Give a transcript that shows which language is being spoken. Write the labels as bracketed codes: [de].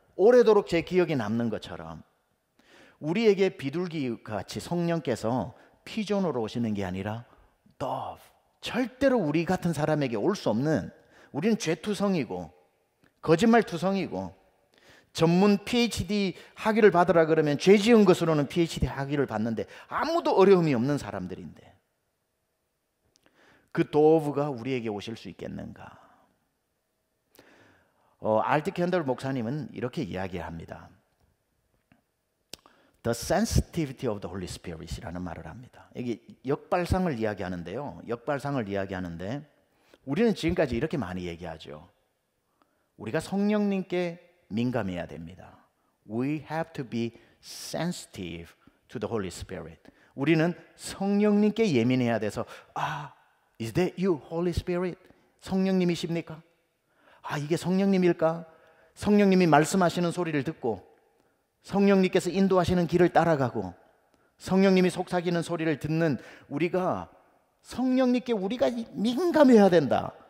[ko] 오래도록 제 기억에 남는 것처럼 우리에게 비둘기같이 성령께서 피존으로 오시는 게 아니라 도브, 절대로 우리 같은 사람에게 올 수 없는 우리는 죄투성이고 거짓말투성이고 전문 PhD 학위를 받으라 그러면 죄 지은 것으로는 PhD 학위를 받는데 아무도 어려움이 없는 사람들인데 그 도브가 우리에게 오실 수 있겠는가? 알티 캔들 목사님은 이렇게 이야기합니다. [en] The sensitivity of the Holy Spirit [ko] 이라는 말을 합니다. 이게 역발상을 이야기하는데요. 역발상을 이야기하는데 우리는 지금까지 이렇게 많이 얘기하죠. 우리가 성령님께 민감해야 됩니다. [en] We have to be sensitive to the Holy Spirit. [ko] 우리는 성령님께 예민해야 돼서 아, [en] is that you, Holy Spirit? [ko] 성령님이십니까? 아, 이게 성령님일까? 성령님이 말씀하시는 소리를 듣고 성령님께서 인도하시는 길을 따라가고 성령님이 속삭이는 소리를 듣는 우리가 성령님께 우리가 민감해야 된다.